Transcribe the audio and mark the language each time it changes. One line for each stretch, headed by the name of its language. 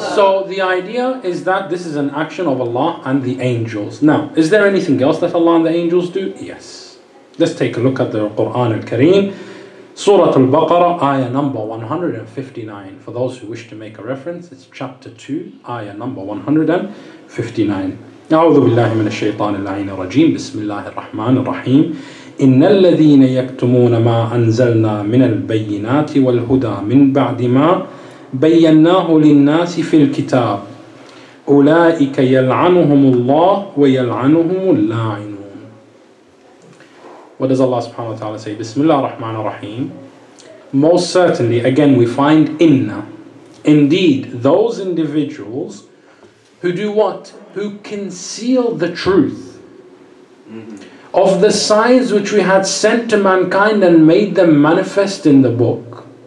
English: So the idea is that this is an action of Allah and the angels. Now, is there anything else that Allah and the angels do? Yes. Let's take a look at the Qur'an al-Kareem, Surah al-Baqarah, ayah number 159. For those who wish to make a reference, it's chapter 2, ayah number 159.
Arabic: أعوذ بالله من الشيطان اللعين الرجيم. بسم الله الرحمن الرحيم. إن الذين يكتمون ما أنزلنا من البينات والهدى من بعد ما بيناه للناس في الكتاب أولئك يلعنهم الله ويلعنهم اللاعن.
English: What does Allah subhanahu wa ta'ala say?
Arabic: Bismillah ar-Rahman ar-Rahim.
English: most certainly, again, we find inna. Indeed, those individuals who do what? Who conceal the truth of the signs which we had sent to mankind and made them manifest in the book.